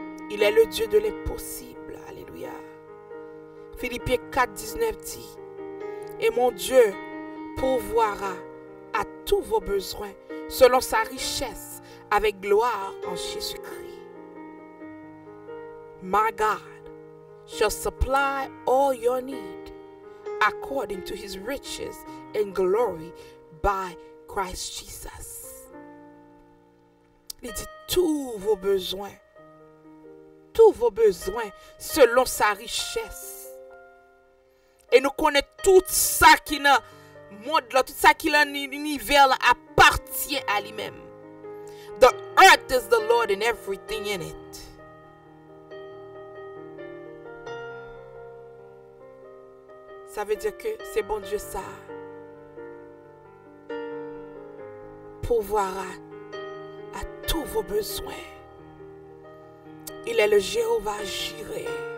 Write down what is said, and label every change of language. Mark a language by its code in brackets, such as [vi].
[fr] Il est le Dieu de l'impossible. Alléluia. Philippiens 4, 19 dit, et mon Dieu pourvoira à tous vos besoins selon sa richesse avec gloire en Jésus-Christ. [en] My God shall supply all your need according to his riches and glory by Christ Jesus. [fr] Il dit tous vos besoins selon sa richesse. Et nous connaissons tout ça qui est dans le monde, tout ça qui est dans l'univers appartient à lui-même. [en] The earth is the Lord and everything in it. [fr] Ça veut dire que c'est bon Dieu ça. Pouvoir à tous vos besoins. Il est le Jéhovah Jireh.